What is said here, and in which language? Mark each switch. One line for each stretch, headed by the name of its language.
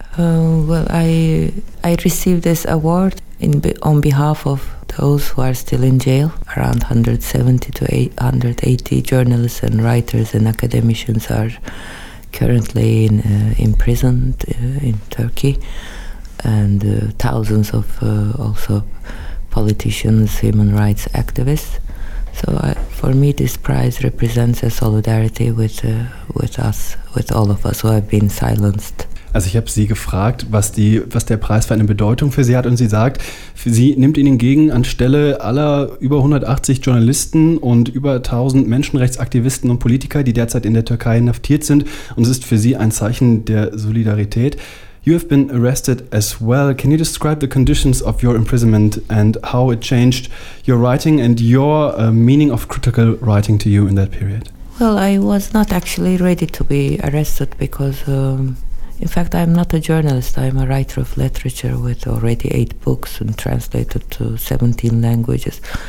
English: Well, I received this award on behalf of those who are still in jail, around 170 to 180 journalists and writers and academicians are currently imprisoned in Turkey, and thousands of also politicians, human rights activists. So for me, this prize represents a solidarity with us, with all of us who have been silenced.
German: Also ich habe Sie gefragt, was der Preis für eine Bedeutung für Sie hat, und Sie sagt, sie nimmt ihn entgegen anstelle aller über 180 Journalisten und über 1000 Menschenrechtsaktivisten und Politiker, die derzeit in der Türkei inhaftiert sind, und es ist für Sie ein Zeichen der Solidarität.
English: You have been arrested as well. Can you describe the conditions of your imprisonment and how it changed your writing and your meaning of critical writing to you in that period? Well, I was not actually ready to be arrested because in fact, I'm not a journalist. I'm a writer of literature with already 8 books and translated to 17 languages.